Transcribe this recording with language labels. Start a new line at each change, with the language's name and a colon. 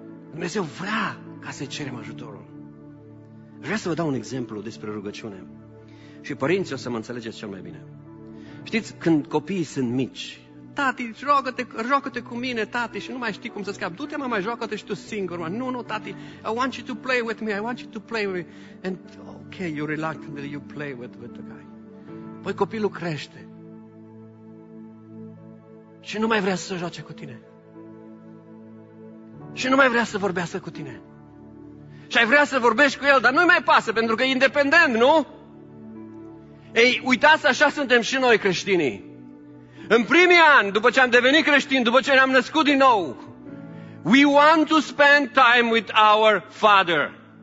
Romanian: Dumnezeu vrea ca să-i cerem ajutorul. Vreau să vă dau un exemplu despre rugăciune. Și părinții o să mă înțelegeți cel mai bine. Știți, când copiii sunt mici, tati, joacă-te cu mine, tati, și nu mai știi cum să scapi. Du-te, mama, joacă-te și tu singur. Mă. Nu, tati,
English: I want you to play with me. And, ok, you're reluctant, you play with the guy.
Romanian: Păi copilul crește. Și nu mai vrea să joace cu tine. Și nu mai vrea să vorbească cu tine. Și ai vrea să vorbești cu el, dar nu-i mai pasă, pentru că e independent, nu? Ei, uitați, așa suntem și noi creștinii. În primii ani, după ce am devenit creștini, după ce ne-am născut din nou,
English: we want to spend time with our Father.